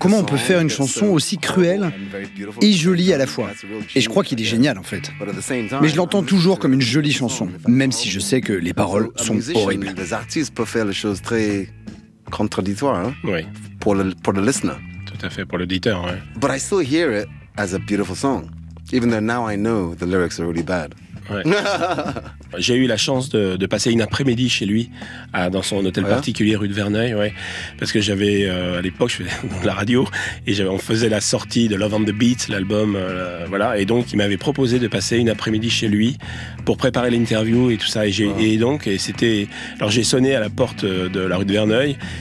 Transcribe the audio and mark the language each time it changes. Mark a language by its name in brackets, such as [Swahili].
[French] Comment on peut faire une chanson aussi cruelle et jolie à la fois? Et je crois qu'il est génial en fait. Mais je l'entends toujours comme une jolie chanson, même si je sais que les paroles sont horribles. Les artistes peuvent faire les choses très contradictoires, hein? Oui. Pour le listener. Tout à fait, pour l'auditeur, oui. [English] But I still hear it as a beautiful song, even though now I know the lyrics are really bad. [French] Ouais. J'ai eu la chance de passer une après-midi chez lui, dans son hôtel particulier rue de Verneuil, ouais, parce que j'avais à l'époque, je faisais de la radio et on faisait la sortie de Love on the Beat, l'album, voilà, et donc il m'avait proposé de passer une après-midi chez lui pour préparer l'interview et tout ça, et j'ai et donc et c'était, alors j'ai sonné à la porte de la rue de Verneuil.